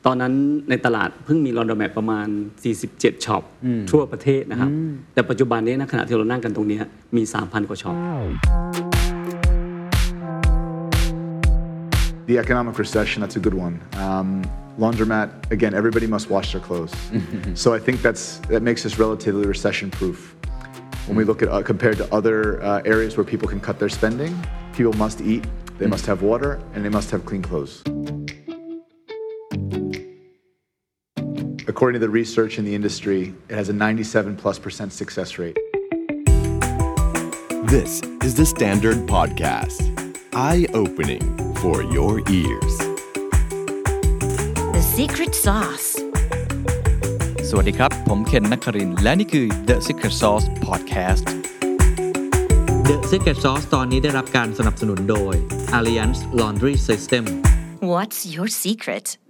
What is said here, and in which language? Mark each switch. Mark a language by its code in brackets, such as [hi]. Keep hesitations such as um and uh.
[th] ตอนนั้นในตลาดเพิ่งมีลอนดอนแมทประมาณ 47ช็อป อืม ทั่วประเทศนะครับ แต่ปัจจุบันนี้นะขณะที่เรานั่งกันตรงเนี้ยมี 3,000 กว่าช็อป [en] The economic recession, that's a good one. Um, laundromat, again, everybody must wash their clothes. so I think that's that makes us relatively recession proof. When we look at uh, compared to other uh, areas where people can cut their spending, people must eat, they must have water, and they must have clean clothes. According to the research in the industry, it has a 97 plus percent success rate. This is the Standard Podcast. Eye opening for your ears. The secret sauce. [th] สวัสดีครับ ผมเคนนักครินทร์และนี่คือ The Secret Sauce Podcast The Secret Sauce ตอนนี้ได้รับการสนับสนุนโดย Alliance Laundry System [en] What's your secret?